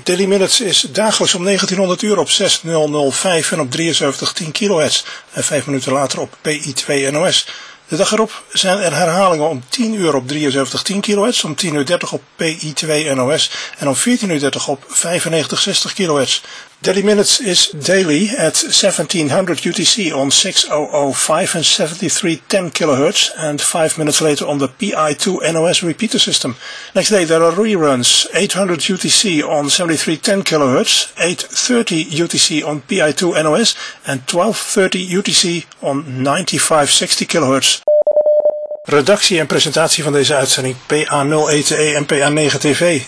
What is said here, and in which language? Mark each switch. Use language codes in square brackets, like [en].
[nl] Daily Minutes is dagelijks om 1900 uur op 6005 en op 7310 kHz. En 5 minuten later op PI2NOS. De dag erop zijn er herhalingen om 10 uur op 7310 kHz, om 10 uur 30 op PI2NOS en om 14 uur 30 op 9560 kHz. [en] Daily Minutes is daily at 1700 UTC on 6005 and 7310 kHz and 5 minutes later on the PI2NOS repeater system. Next day there are reruns 800 UTC on 7310 kHz, 830 UTC on PI2NOS and 1230 UTC on 9560 kHz. [nl] Redactie en presentatie van deze uitzending PA0ETE en PA9TV.